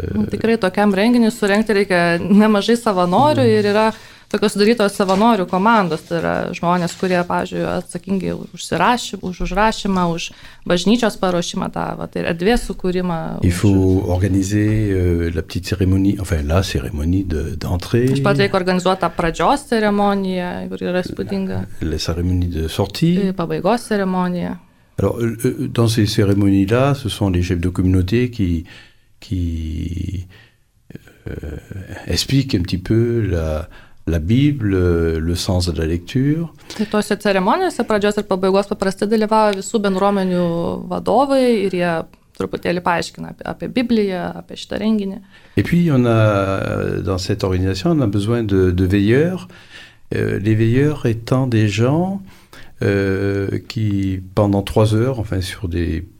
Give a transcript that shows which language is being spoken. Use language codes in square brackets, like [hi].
[lt] Tikrai tokiam renginiui surengti reikia nemažai savanorių ir yra tokios sudarytos savanorių komandos, tai yra žmonės, kurie, pavyzdžiui, atsakingi už užrašymą, už bažnyčios paruošimą, tai erdvės sukūrimą. [fr] Il faut organiser la petite cérémonie, enfin la cérémonie d'entrée. [lt] Taip pat reikia organizuoti pradžios ceremoniją, kuri yra spūdinga. [fr] La cérémonie de sortie. [lt] Pabaigos ceremonija. [fr] Alors, dans ces cérémonies-là, ce sont les chefs de communauté qui explique un petit peu la Bible, le sens de la lecture. [lt] Tai tose ceremonijose pradžios ir pabaigos paprastai dalyvauja visų bendruomenių vadovai ir jie truputėlį paaiškina apie Bibliją, apie šitą renginį. [fr] Et puis on a dans cette organisation on a besoin de veilleurs, les veilleurs étant des gens qui pendant 3 heures, enfin sur des